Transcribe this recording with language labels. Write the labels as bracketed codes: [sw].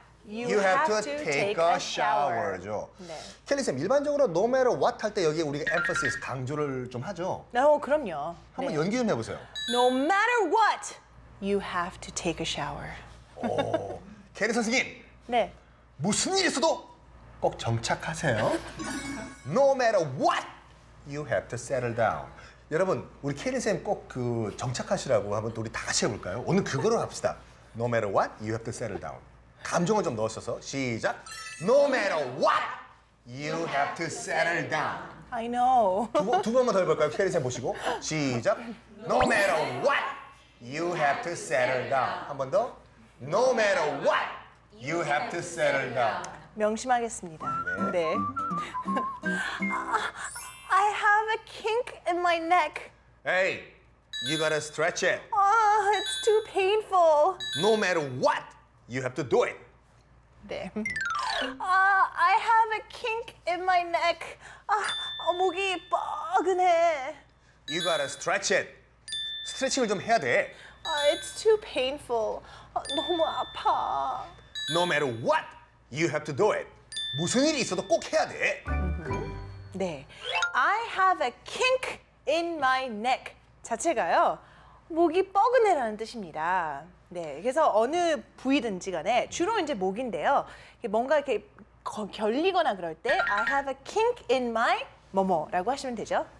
[en] No matter what, you have to take a shower죠. [ko] 켈리 쌤, 일반적으로 [en] no matter what [ko] 할 때 여기 우리가 emphasis 강조를 좀 하죠. 그럼요. 한번 네. 연기 좀 해보세요. [en] No matter what, you have to take a shower. [ko] 켈리 선생님. 네. 무슨 일 있어도 꼭 정착하세요. [en] No matter what, you have to settle down. [ko] 여러분, 우리 켈리 쌤 꼭 그 정착하시라고 한번 우리 다 같이 해볼까요? 오늘 그거로 합시다. [en] No matter what, you have to settle down. [ko] 감정을 좀 넣으셔서 시작! [en] No matter what, you have to settle down. I know. [ko] 두 번만 더 해볼까요? 캐리쌤 보시고. 시작! [en] No matter what, you have to settle down. [ko] 한 번 더. [en] No matter what, you have to settle down. [ko] 명심하겠습니다. 네. 네. [en] I have a kink in my neck. Hey, you gotta stretch it. Oh, it's too painful. No matter what, you have to do it. 네. I have a kink in my neck. [ko] 목이 뻐근해. [en] You gotta stretch it. [ko] 스트레칭을 좀 해야 돼. [en] It's too painful. [ko] 너무 아파. [en] No matter what, you have to do it. [ko] 무슨 일이 있어도 꼭 해야 돼. [en] 네. I have a kink in my neck. [ko] 자체가요. 목이 뻐근해라는 뜻입니다. 네. 그래서 어느 부위든지 간에 주로 이제 목인데요. 뭔가 이렇게 결리거나 그럴 때 [en] I have a kink in my [ko] 뭐뭐라고 하시면 되죠.